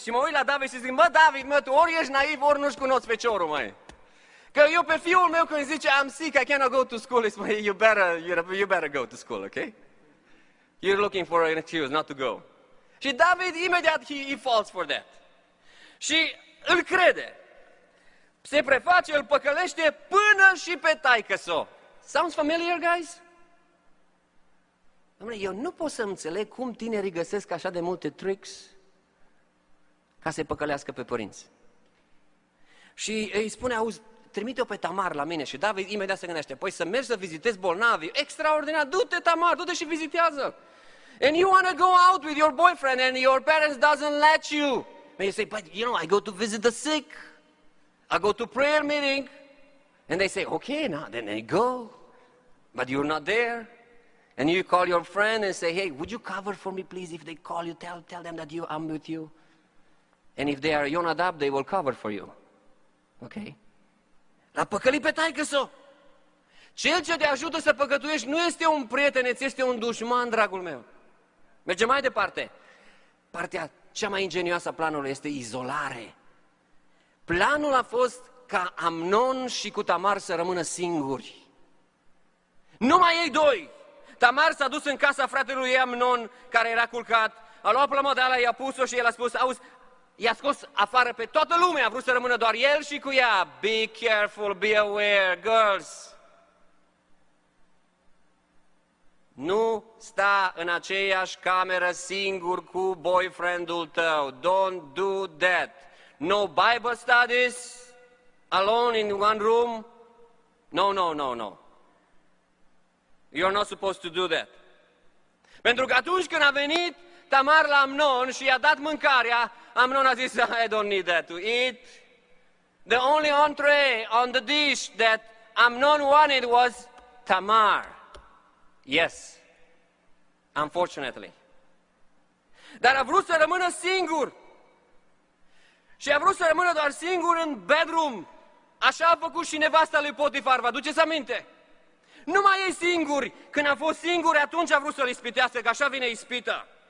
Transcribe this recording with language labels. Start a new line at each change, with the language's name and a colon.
Romanian: Și mă uit la David și zic, mă, David, mă, tu ori ești naiv, ori nu-și cunoști feciorul, măi. Că eu pe fiul meu când zice,
English: I'm sick, I cannot go to school,
Romanian: spune,
English: you better go to school, okay? You're looking for an excuse not to go.
Romanian: Și David, imediat,
English: he falls for that.
Romanian: Și îl crede. Se preface, îl păcălește până și pe taică-s-o.
English: Sounds familiar, guys?
Romanian: Dom'le, eu nu pot să înțeleg cum tinerii găsesc așa de multe tricks ca să-i păcălească pe părinți. Și îi spune, auzi, trimite-o pe Tamar la mine. Și David imediat se gândește, păi să mergi să vizitezi bolnavii. Extraordinar, du-te, Tamar, du-te și vizitează-l.
English: And you want to go out with your boyfriend and your parents doesn't let you. And you say, but you know, I go to visit the sick. I go to prayer meeting. And they say, okay, now then they go. But you're not there. And you call your friend and say, hey, would you cover for me, please? If they call you, tell them that I'm with you. And if they are Ionadab, they will cover for you.
Romanian: Okay? L-a păcălit pe taică-s-o. Cel ce te ajută să păcătuiești nu este un prieten, ți este un dușman, dragul meu. Mergem mai departe. Partea cea mai ingenioasă a planului este izolare. Planul a fost ca Amnon și cu Tamar să rămână singuri. Numai ei doi. Tamar s-a dus în casa fratelui Amnon, care era culcat, a luat plămădala, i-a pus-o și el a spus, auzi, i-a scos afară pe toată lumea, a vrut să rămână doar el și cu ea.
English: Be careful, be aware, girls!
Romanian: Nu sta în aceeași cameră singur cu boyfriend-ul tău.
English: Don't do that. No Bible studies, alone in one room. No. You're not supposed to do that.
Romanian: Pentru că atunci când a venit Tamar la Amnon și i-a dat mâncarea, Amnon a zis,
English: I don't need that to eat. The only entree on the dish that Amnon wanted was Tamar. Yes, unfortunately.
Romanian: Dar a vrut să rămână singur. Și a vrut să rămână doar singur în bedroom. Așa a făcut și nevasta lui Potifar, vă aduceți aminte? Numai ei singuri, când a fost singuri, atunci a vrut să-l ispitească, că așa vine ispita.